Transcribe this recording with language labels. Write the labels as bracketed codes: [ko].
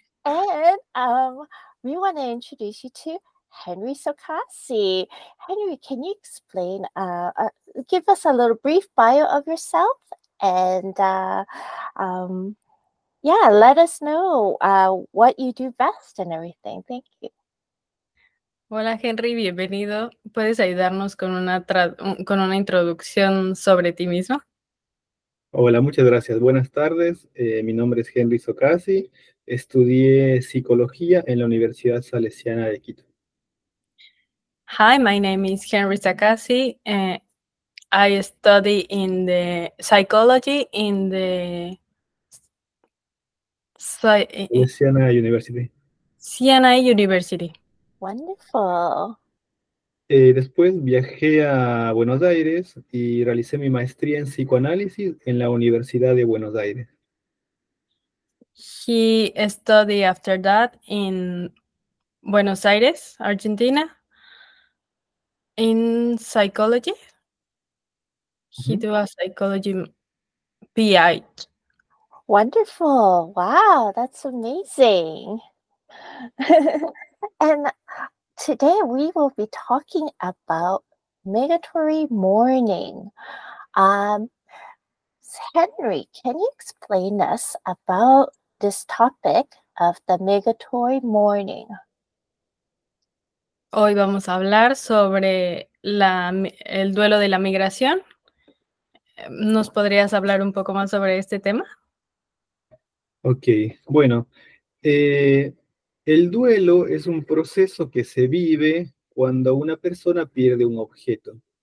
[en] And we want to introduce you to Henry Sokasi. Henry, can you explain, give us a little brief bio of yourself and let us know what you do best and everything. Thank you. [es] Hola, Henry, bienvenido. ¿Puedes ayudarnos con una introducción sobre ti mismo? Hola, muchas gracias. Buenas tardes. Mi nombre es Henry Sokasi. Estudié psicología en la Universidad Salesiana de Quito. [en] Hi, my name is Henry Sokasi. I study in the psychology in the Siena University. Siena University. Wonderful. [es] Después viajé a Buenos Aires y realicé mi maestría en psicoanálisis en la Universidad de Buenos Aires. [en] He studied after that in Buenos Aires, Argentina. In psychology, he do a psychology PI. Wonderful. Wow, that's amazing. And today we will be talking about migratory mourning. Henry, can you explain us about this topic of the migratory mourning? [es] Hoy vamos a hablar sobre el duelo de la migración. ¿Nos podrías hablar un poco más sobre este tema? Ok, bueno, el duelo es un proceso que se vive cuando una persona pierde un objeto.